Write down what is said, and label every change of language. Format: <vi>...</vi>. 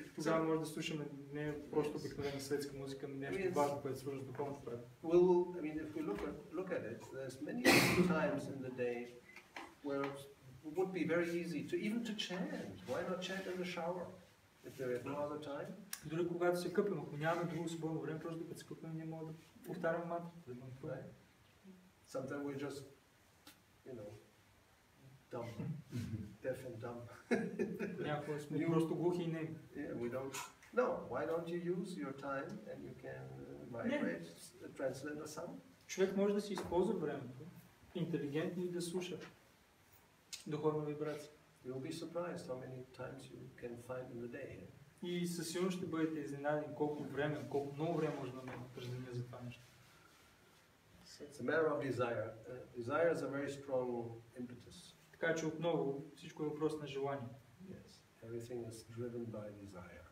<bg>Тогава може да слушаме не просто обикновена светска музика, но нещо важно, което свържа с духовното пред.</bg> <en>Well, I mean, if we look at it, there's many times in the day where it would be very easy to even to chant. Why not chant in the shower if there is no other time?</en> <bg>Дори когато се къпим, ако нямаме друго свободно време, просто докато се къпим, ние можем да повтарям мантрата.</bg> <en>Right. Sometimes we just, you know, dumb, deaf and dumb.</en> <bg>Някога сме просто глухи и неми.</bg> <en>Yeah, we don't No, why don't you use your time and you can migrate, translate or something?</en> <bg>Човек може да си използва времето, интелигентно и да слуша духовна вибрация.</bg> <en>You'll be surprised how many times you can find in the day.</en> <bg>И със сигурност ще бъдете изненадени колко време, колко много време може да намерите през деня за това нещо.</bg> <en>It's a matter of desire. Desire is a very strong impetus.</en> <bg>Така че отново всичко е въпрос на желание.</bg> <en>Yes, everything is driven by desire.</en>